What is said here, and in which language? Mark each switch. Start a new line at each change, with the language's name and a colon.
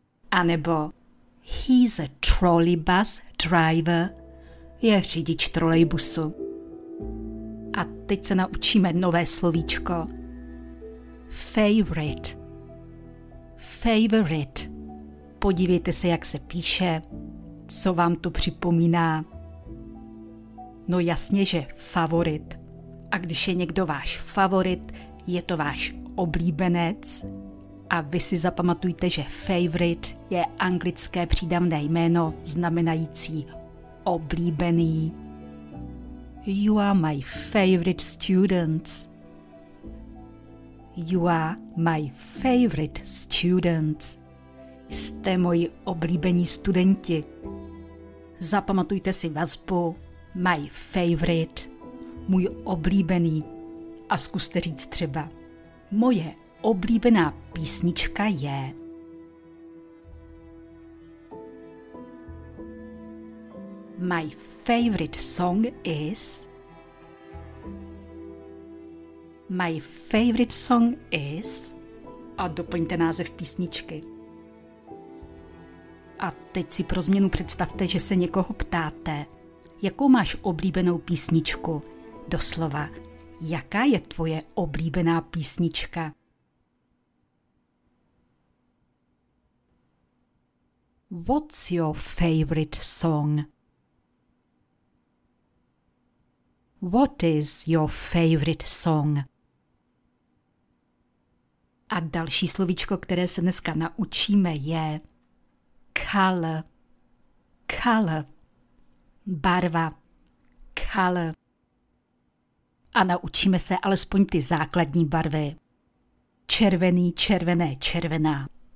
Czech: A nebo
English: he's a trolley bus driver.
Czech: Je řidič trolejbusu. A teď se naučíme nové slovíčko. Favorite. Favorite. Podívejte se, jak se píše. Co vám to připomíná? No jasně, že favorit. A když je někdo váš favorit, je to váš oblíbenec. A vy si zapamatujte, že favorite je anglické přídavné jméno, znamenající oblíbený.
English: You are my favorite students. You are my favorite students.
Czech: Jste moji oblíbení studenti. Zapamatujte si vazbu.
English: My favorite,
Czech: můj oblíbený. A zkuste říct třeba, moje oblíbená písnička je.
English: My favorite song is. My favorite song is.
Czech: A doplňte název písničky. a teď si pro změnu představte, že se někoho ptáte, jakou máš oblíbenou písničku. Doslova, jaká je tvoje oblíbená písnička?
English: What's your favorite song? What is your favorite song?
Czech: A další slovíčko, které se dneska naučíme, je color. Color. Barva. Color. A naučíme se alespoň ty základní barvy. Červený, červené, červená.